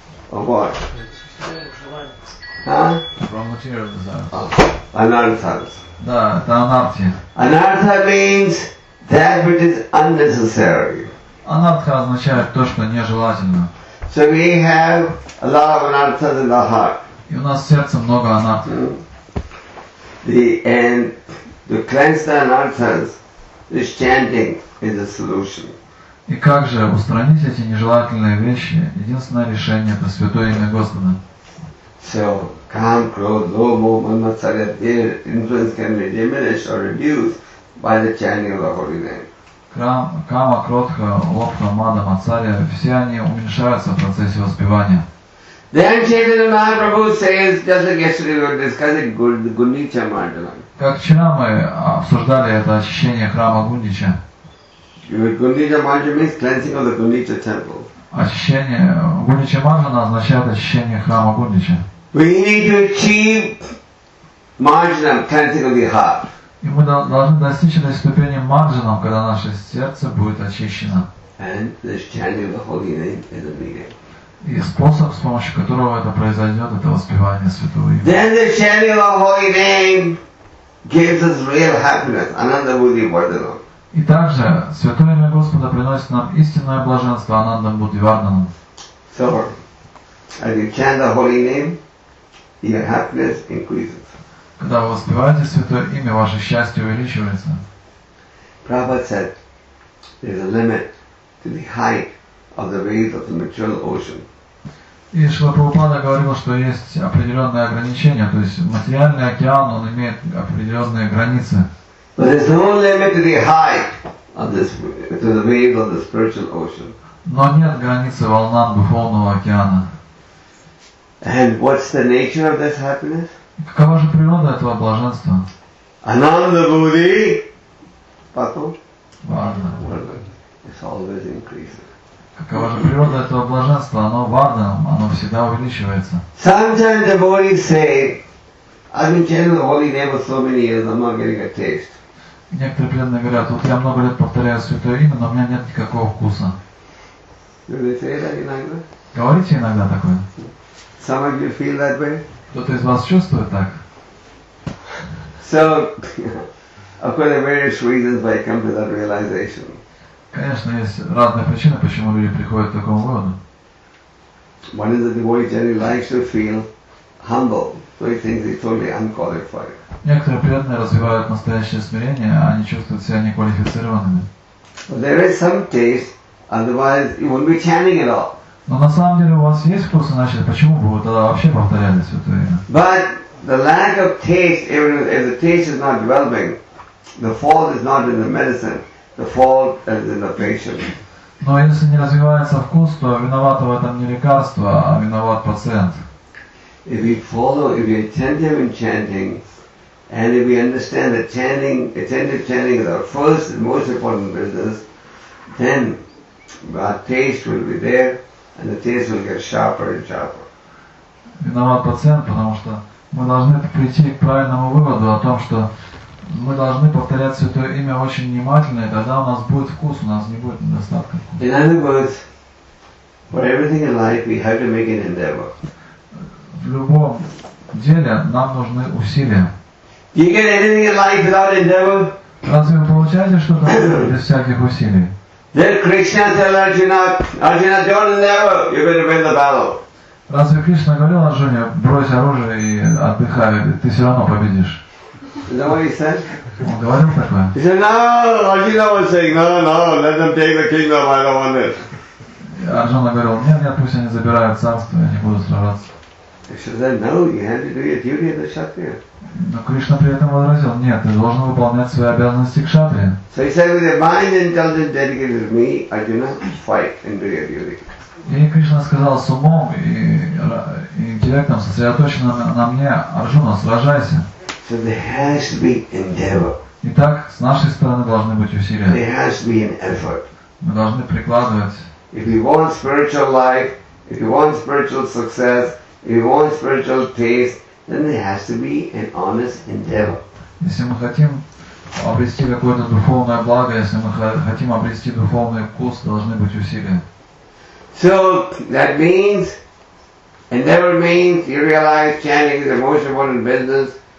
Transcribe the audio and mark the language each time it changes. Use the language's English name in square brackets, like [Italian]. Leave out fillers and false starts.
[English] Of what? From material desires. Anarthas. [Russian] Да, это анартхи. [English] Anartha means that which is unnecessary. [Russian] Анартха означает то, что нежелательно. [English] So we have a lot of anarthas in the heart. [Russian] И у нас в сердце много анартхи. [English] And to cleanse the anarthas, this chanting is the solution. [Russian] И как же устранить эти нежелательные вещи? Единственное решение – это Святое Имя Господа. [English] So, calm, close, low, more, mama, sarat, their influence can be diminished or reduced by the chanting of the holy name. [Russian] Кама, кротха, лобха, мада, мацария, все они уменьшаются в процессе воспевания. [English] Then Chaitanya Mahaprabhu says, just like yesterday we were discussing Гундича Марджанам. [Russian] Как вчера мы обсуждали это очищение храма Гундича. [English] Гундича Марджанам means cleansing of the Гундича temple. [Russian] Очищение Гундича Марджанам означает очищение храма Гундича. [English] We need to achieve Марджанам, cleansing of the heart. [Russian] И мы должны достичь этой ступени Марджанам, когда наше сердце будет очищено. [English] And the chanting of the holy name is the meaning. [Russian] И способ, с помощью которого это произойдет, это воспевание Святого Имени. [English] Then the chanting of the holy name gives us real happiness, Ananda Buddhi Vardhanam. [Russian] И также Святое Имя Господа приносит нам истинное блаженство, Ананда Буддхи Варданам. [English] So, as you chant the holy name, your happiness increases. [Russian] Когда вы воспеваете Святое Имя, ваше счастье увеличивается. [English] Prabhupada said, there's a limit to the height of the waves of the material ocean. [Russian] И Шрила Прабхупада говорил, что есть определенные ограничения, то есть материальный океан, он имеет определенные границы. [English] But there's no limit to the height of this, to the waves of the spiritual ocean. [Russian] Но нет границы волнам духовного океана. [English] And what's the nature of this happiness? [Russian] Какова же природа этого блаженства? [Sanskrit] Ananda Buddhi Pato Varna. [English] It's always increasing. [Russian] Какова же природа этого блаженства? Оно варданам, оно всегда увеличивается. [English] Sometimes the devotees say, I've been chanting the holy name for so many years, I'm not getting a taste. [Russian] Некоторые преданные говорят, вот я много лет повторяю Святое Имя, но у меня нет никакого вкуса. [English] Do they say that [Russian] иногда? Говорите иногда такое. [English] Some of you feel that way? [Russian] Кто-то из вас чувствует так? [English] So, of course, there are various reasons why I come to that realization. [Russian] Конечно, есть разные причины, почему люди приходят к такому выводу. [English] One is that the devotee generally likes to feel humble, so he thinks he's totally unqualified. [Russian] Некоторые преданные развивают настоящее смирение, а они чувствуют себя неквалифицированными. [English] But there is some taste, otherwise you wouldn't be chanting at all. [Russian] Но на самом деле у вас есть вкус, значит, почему бы вы тогда вообще повторяли Святое Имя? [English] But the lack of taste, even if the taste is not developing, the fault is not in the medicine. The fault is in the patient. [Russian] Но если не развивается вкус, то виновата в этом не лекарство, а виноват пациент. [English] If we follow, if we attentive in chanting, and if we understand that chanting, attentive chanting is our first and most important business, then our taste will be there, and the taste will get sharper and sharper. [Russian] виноват пациент, потому что мы должны прийти к правильному выводу о том, что мы должны повторять Святое Имя очень внимательно, и тогда у нас будет вкус, у нас не будет недостатка. [English] In other words, for everything in life, we have to make an endeavor. [Russian] В любом деле нам нужны усилия. [English] Do you get anything in life without endeavor? [Russian] Разве вы получаете что-то без всяких усилий? [English] Did Krishna tell Arjuna, Arjuna, don't endeavor, you're going to win the battle? [Russian] Разве Кришна говорил Арджуне, брось оружие и отдыхай, ты все равно победишь? [English] Is that what he said? [Russian] Он говорил такое? [English] He said, no, Arjuna was saying, no, let them take the kingdom, I don't want it. [Russian] Арджуна говорил, нет, пусть они забирают царство, я не буду сражаться. Но Кришна при этом возразил, нет, ты должен выполнять свои обязанности к кшатрии. [English] So he said, with your mind intelligent dedicated to me, Arjuna, fight and do your duty. [Russian] И Кришна сказал, с умом и интеллектом сосредоточенным на мне, Арджуна, сражайся. [English] So there has to be endeavor. [Russian] Итак, с нашей стороны должны быть усилия. [English] There has to be an effort. [Russian] Мы должны прикладывать. [English] If you want spiritual life, if you want spiritual success, if you want spiritual taste, then there has to be an honest endeavor. [Russian] Если мы хотим обрести какое-то духовное благо, если мы хотим обрести духовный вкус, должны быть усилия. [English] So that means, endeavor means you realize chanting is the most important business.